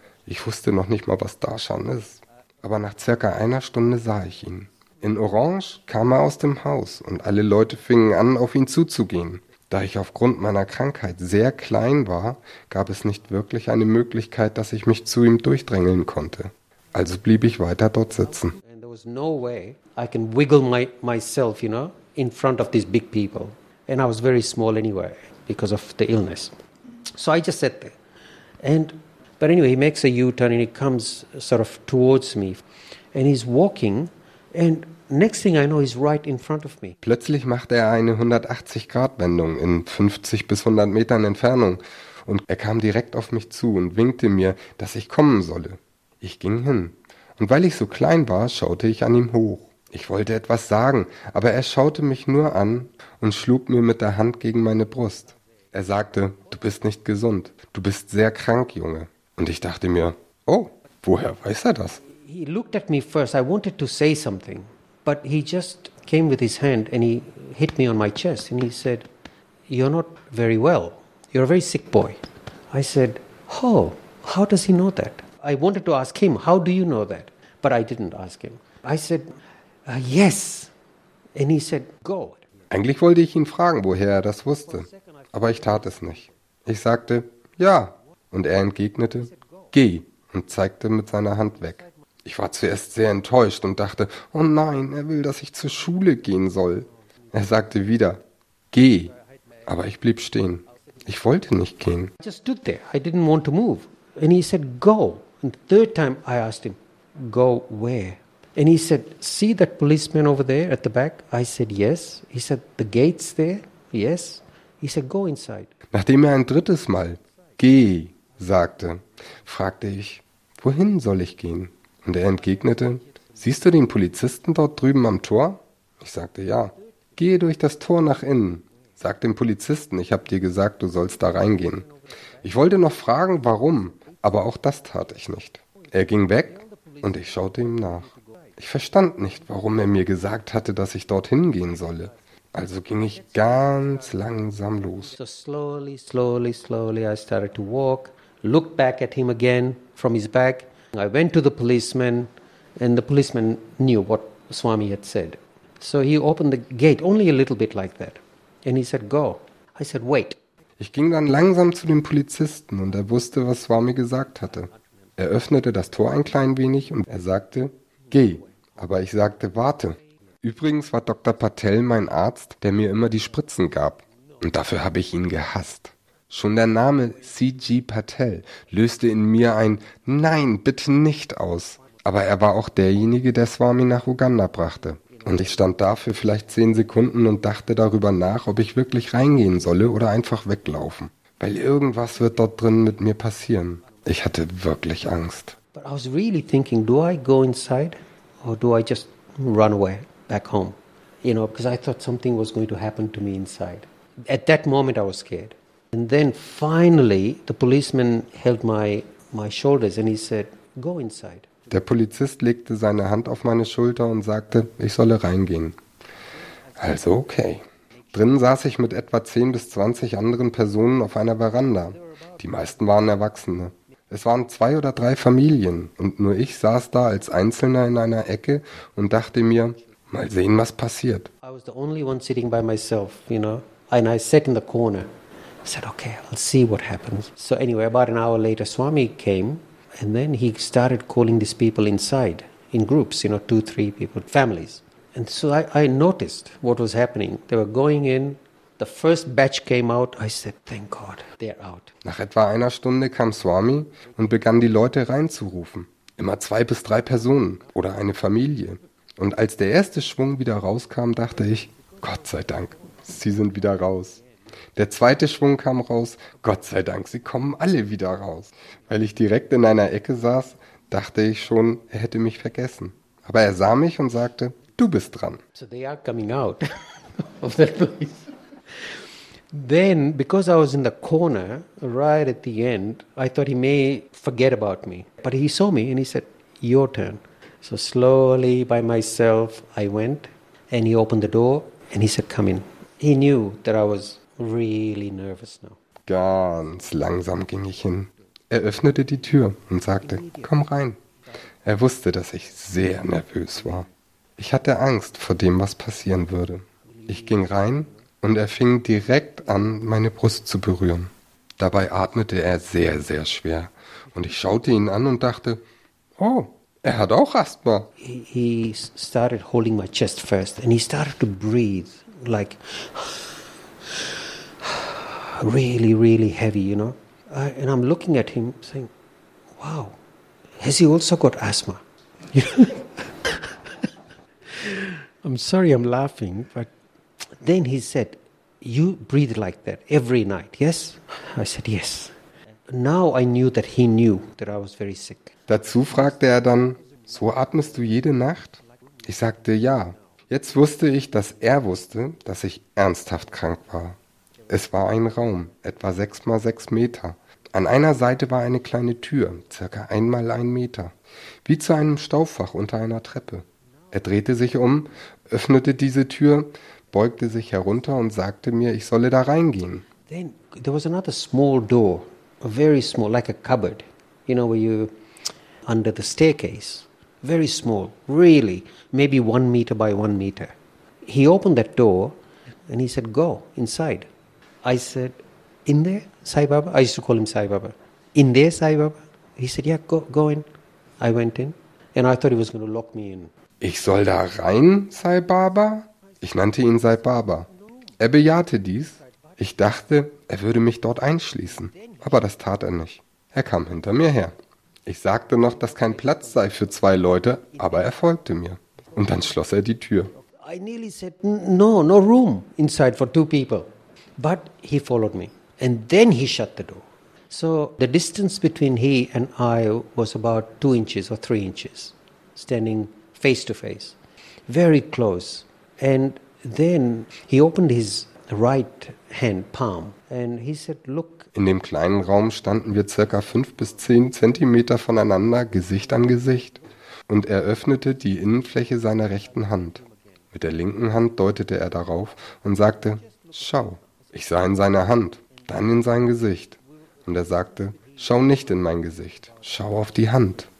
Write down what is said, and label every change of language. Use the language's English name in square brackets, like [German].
[German] Ich wusste noch nicht mal, was Darshan ist. Aber nach circa 1 Stunde sah ich ihn. In Orange kam er aus dem Haus und alle Leute fingen an, auf ihn zuzugehen. Da ich aufgrund meiner Krankheit sehr klein war, gab es nicht wirklich eine Möglichkeit, dass ich mich zu ihm durchdrängeln konnte. Also blieb ich weiter dort sitzen. [English] And there was no way I can wiggle myself, you know, in front of these big people. And I was very small anyway because of the illness. So I just sat there. But anyway, he makes a U-turn and he comes sort of towards me. And he's walking and next thing I know, he's right in front of me. [German] Plötzlich machte er eine 180-Grad-Wendung in 50 bis 100 Metern Entfernung und er kam direkt auf mich zu und winkte mir, dass ich kommen solle. Ich ging hin und weil ich so klein war, schaute ich an ihm hoch. Ich wollte etwas sagen, aber er schaute mich nur an und schlug mir mit der Hand gegen meine Brust. Er sagte, du bist nicht gesund, du bist sehr krank, Junge. Und ich dachte mir, oh, woher weiß er das? [English] He looked at me first, I wanted to say something. But he just came with his hand and he hit me on my chest and he said, you're not very well. You're a very sick boy. I said, Oh, how does he know that? I wanted to ask him, how do you know that? But I didn't ask him. I said, yes. And he said, God. [German] Eigentlich wollte ich ihn fragen, woher er das wusste. Aber ich tat es nicht. Ich sagte, ja. Und er entgegnete, geh. Und zeigte mit seiner Hand weg. Ich war zuerst sehr enttäuscht und dachte, oh nein, er will, dass ich zur Schule gehen soll. Er sagte wieder, geh. Aber ich blieb stehen. Ich wollte nicht gehen. [English] I just stood there. I didn't want to move. And he said, go. And the third time I asked him, go where? And he said, see that policeman over there at the back? I said, yes. He said, the gate's there? Yes. He said, go inside. [German] Nachdem er ein drittes Mal, geh, sagte, fragte ich, wohin soll ich gehen? Und er entgegnete, siehst du den Polizisten dort drüben am Tor? Ich sagte, ja. Gehe durch das Tor nach innen. Sag dem Polizisten, ich habe dir gesagt, du sollst da reingehen. Ich wollte noch fragen, warum, aber auch das tat ich nicht. Er ging weg und ich schaute ihm nach. Ich verstand nicht, warum er mir gesagt hatte, dass ich dorthin gehen solle. Also ging ich ganz langsam los. [English] So slowly, slowly, slowly I started to walk, looked back at him again from his back. I went to the policeman and the policeman knew what Swami had said. So he opened the gate only a little bit like that. And he said, go. I said, wait. [German] Ich ging dann langsam zu dem Polizisten und er wusste, was Swami gesagt hatte. Er öffnete das Tor ein klein wenig und er sagte, geh. Aber ich sagte, warte. Übrigens war Dr. Patel mein Arzt, der mir immer die Spritzen gab. Und dafür habe ich ihn gehasst. Schon der Name C.G. Patel löste in mir ein Nein, bitte nicht aus. Aber er war auch derjenige, der Swami nach Uganda brachte. Und ich stand da für vielleicht 10 Sekunden und dachte darüber nach, ob ich wirklich reingehen solle oder einfach weglaufen. Weil irgendwas wird dort drin mit mir passieren. Ich hatte wirklich Angst. [English] But I was really thinking, do I go inside or do I just run away back home? You know, because I thought something was going to happen to me inside. At that moment I was scared. And then finally the policeman held my shoulders and he said, go inside. [German] Der Polizist legte seine Hand auf meine Schulter und sagte, ich solle reingehen. Also okay. Drinnen saß ich mit etwa 10 bis 20 anderen Personen auf einer Veranda. Die meisten waren Erwachsene. Es waren 2 oder 3 Familien und nur ich saß da als Einzelner in einer Ecke und dachte mir, mal sehen, was passiert. [English] I was the only one sitting by myself, you know, and I sat in the corner. I said, okay, I'll see what happens. So anyway, about an hour later, Swami came. And then he started calling these people inside, in groups, you know, 2, 3 people, families. And so I noticed what was happening. They were going in, the first batch came out. I said, thank God, they're out. [German] Nach etwa einer Stunde kam Swami und begann die Leute reinzurufen. Immer 2 bis 3 Personen oder eine Familie. Und als der erste Schwung wieder rauskam, dachte ich, Gott sei Dank, sie sind wieder raus. Der zweite Schwung kam raus, Gott sei Dank, sie kommen alle wieder raus. Weil ich direkt in einer Ecke saß, dachte ich schon, er hätte mich vergessen. Aber er sah mich und sagte, du bist dran. [English] So they are coming out of that place. Then, because I was in the corner, right at the end, I thought he may forget about me. But he saw me and he said, your turn. So slowly by myself I went and he opened the door and he said, come in. He knew that I was really nervous now. [German] Ganz langsam ging ich hin. Er öffnete die Tür und sagte, komm rein. Er wusste, dass ich sehr nervös war. Ich hatte Angst vor dem, was passieren würde. Ich ging rein und er fing direkt an, meine Brust zu berühren. Dabei atmete er sehr, sehr schwer. Und ich schaute ihn an und dachte, oh, er hat auch Asthma. [English] He started holding my chest first and he started to breathe like really, really heavy, you know. And I'm looking at him saying, wow, has he also got asthma? I'm sorry I'm laughing, but then he said, you breathe like that every night, yes? I said, yes. Now I knew that he knew that I was very sick. [German] Dazu fragte er dann, so atmest du jede Nacht? Ich sagte, ja. Jetzt wusste ich, dass er wusste, dass ich ernsthaft krank war. Es war ein Raum, etwa 6x6 Meter. An einer Seite war eine kleine Tür, circa 1x1 Meter, wie zu einem Staufach unter einer Treppe. Er drehte sich um, öffnete diese Tür, beugte sich herunter und sagte mir, ich solle da reingehen. [English] Then there was another small door very small, like a cupboard, you know, where you under the staircase, very small, really, maybe 1 meter by 1 meter. He opened that door and he said, go inside. I said, in there, Sai Baba? I used to call him Sai Baba. In there, Sai Baba? He said, yeah, go in. I went in and I thought he was going to lock me in. [German] Ich soll da rein, Sai Baba? Ich nannte ihn Sai Baba. Er bejahte dies. Ich dachte, er würde mich dort einschließen. Aber das tat er nicht. Er kam hinter mir her. Ich sagte noch, dass kein Platz sei für 2 Leute, aber er folgte mir. Und dann schloss er die Tür. [English] I nearly said, no, no room inside for 2 people. But he followed me. And then he shut the door. So the distance between he and I was about 2 inches or 3 inches, standing face to face, very close. And then he opened his right hand palm and he said, look. [German] In dem kleinen Raum standen wir circa 5 bis 10 Zentimeter voneinander, Gesicht an Gesicht. Und er öffnete die Innenfläche seiner rechten Hand. Mit der linken Hand deutete er darauf und sagte, schau. Ich sah in seine Hand, dann in sein Gesicht. Und er sagte, schau nicht in mein Gesicht, schau auf die Hand.